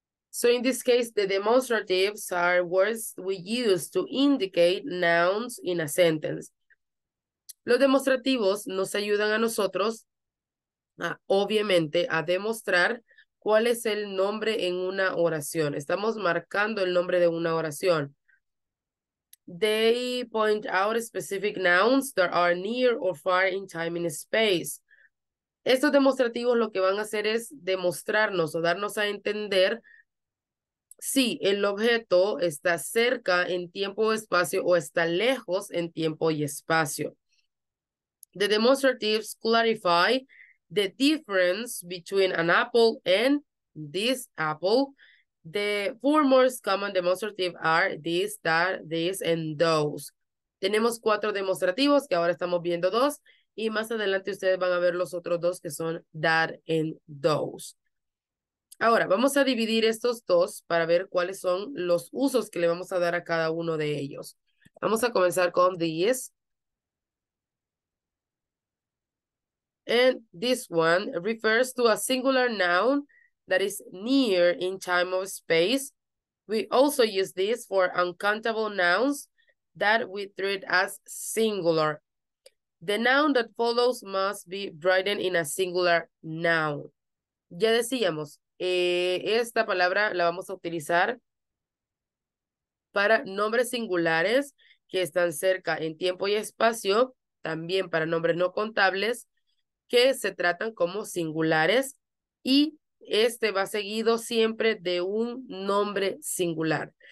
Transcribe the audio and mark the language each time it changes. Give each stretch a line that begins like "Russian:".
English: So in this case, the demonstratives are words we use to indicate nouns in a sentence.
Spanish: Los demostrativos nos ayudan a nosotros, obviamente, a demostrar cuál es el nombre en una oración. Estamos marcando el nombre de una oración.
English: They point out specific nouns that are near or far in time and space.
Spanish: Estos demostrativos lo que van a hacer es demostrarnos o darnos a entender si el objeto está cerca en tiempo o espacio o está lejos en tiempo y espacio.
English: The demonstratives clarify the difference between an apple and this apple. The four most common demonstrative are this, that, this, and those.
Spanish: Tenemos cuatro demostrativos, que ahora estamos viendo dos, y más adelante ustedes van a ver los otros dos, que son that and those. Ahora, vamos a dividir estos dos para ver cuáles son los usos que le vamos a dar a cada uno de ellos. Vamos a comenzar con this.
English: And this one refers to a singular noun that is near in time or space. We also use this for uncountable nouns that we treat as singular. The noun that follows must be written in a singular noun.
Spanish: Ya decíamos, esta palabra la vamos a utilizar para nombres singulares que están cerca en tiempo y espacio, también para nombres no contables, que se tratan como singulares, y este va seguido siempre de un nombre singular.